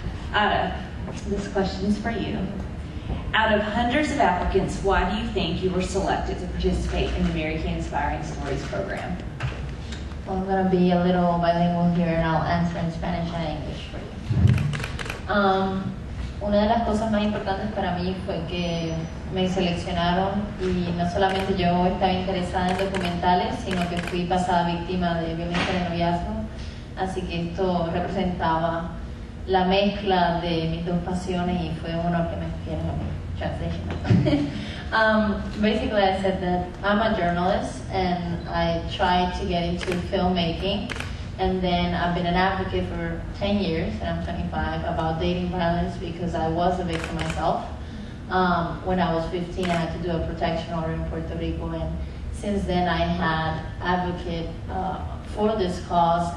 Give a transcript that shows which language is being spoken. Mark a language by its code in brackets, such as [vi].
[en] Ada, this question is for you. Out of hundreds of applicants, why do you think you were selected to participate in the Mary Kay Inspiring Stories program? Well, I'm going to be a little bilingual here, and I'll answer in Spanish and English for you. [es] Una de las cosas más importantes para mí fue que me seleccionaron, y no solamente yo estaba interesada en documentales, sino que fui pasada víctima de violencia de noviazgo, así que esto representaba la mezcla de mis dos pasiones, y fue uno que me hicieron a mí. [en] Basically, I said that I'm a journalist and I tried to get into filmmaking, and then I've been an advocate for 10 years, and I'm 25, about dating violence, because I was a victim myself. When I was 15, I had to do a protection order in Puerto Rico, and since then I had advocate for this cause.